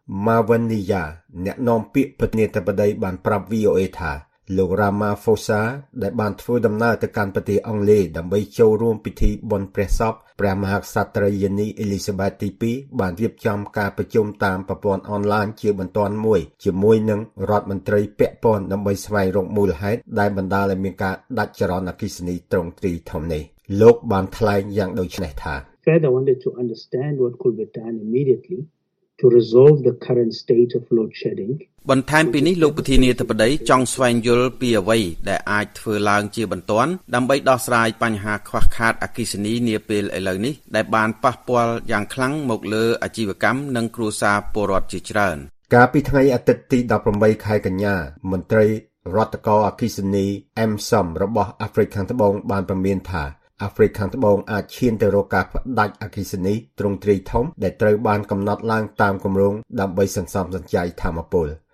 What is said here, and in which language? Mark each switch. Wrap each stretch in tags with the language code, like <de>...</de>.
<km>Mavania អ្នកនាំពាក្យប្រធានាធិបតីបានប្រាប់ VOA ថាលោករ៉ាម៉ាហ្វូសាដែលបានធ្វើដំណើរទៅកាន់ប្រទេសអង់គ្លេសដើម្បីចូលរួមពិធីបុណ្យព្រះសពព្រះមហាក្សត្រីយានីអេលីសាបេតទី2បានរៀបចំការប្រជុំតាមប្រព័ន្ធអនឡាញជាបន្ទាន់មួយជាមួយនឹងរដ្ឋមន្ត្រីពាក់ព័ន្ធដើម្បីស្វែងរកមូលហេតុដែលបណ្តាលឲ្យមានការដាច់ចរន្តអគ្គិសនីត្រង់ទ្រីធំនេះលោកបានថ្លែងយ៉ាងដូចនេះថា</km> <en>Further wanted to understand what could be done immediately to resolve the current state of load shedding.</en> <km>បន្ថែមពីនេះលោកប្រធានាធិបតីចង់ស្វែងយល់ពីអ្វីដែលអាចធ្វើឡើងជាបន្ទាន់ដើម្បីដោះស្រាយបញ្ហាខ្វះខាតអគ្គិសនីនាពេលឥឡូវនេះដែលបានប៉ះពាល់យ៉ាងខ្លាំងមកលើអាជីវកម្មនិងគ្រួសារពលរដ្ឋជាច្រើន កាលពីថ្ងៃអាទិត្យទី18ខែកញ្ញាមន្ត្រីរដ្ឋកោអគ្គិសនី Emsom របស់អាហ្វ្រិកខាងត្បូងបានព្រមានថាអាហ្វ្រិកខាងត្បូងអាចឈានទៅរកការផ្ដាច់អគ្គិសនីទ្រង់ទ្រាយធំដែលត្រូវបានកំណត់ឡើងតាមគម្រោងដើម្បីសន្សំសំចៃធម្មពល</km>